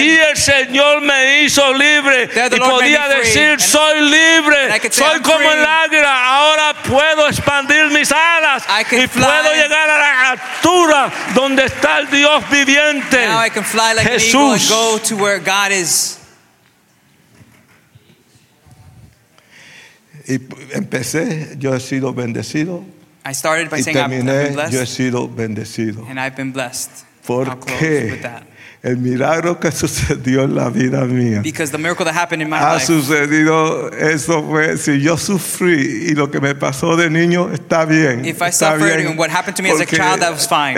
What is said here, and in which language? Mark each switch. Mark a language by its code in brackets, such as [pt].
[es] allí el Señor me hizo libre [en] there, the [es] y podía decir [en] free, [es] soy libre, [en] say, [es] soy [en] I'm [es] como [en] free. [es] El águila, ahora puedo expandir mis alas y puedo llegar a la altura donde está el Dios viviente. [en] Now I can fly like [es] Jesús. [en] An eagle and go to where God is. [es] Y empecé, yo he sido bendecido. [en] I started by [es] y [en] saying [es] terminé, [en] I've been blessed. [es] Yo he sido bendecido. [en] And I've been blessed. [es] ¿Por qué? El milagro que sucedió en la vida mía. [en] Because the miracle that happened in my [es] ha [en] life. [es] Ha sucedido, eso fue, si yo sufrí y lo que me pasó de niño está bien. [en] If I suffered and what happened to me as a child, that was fine.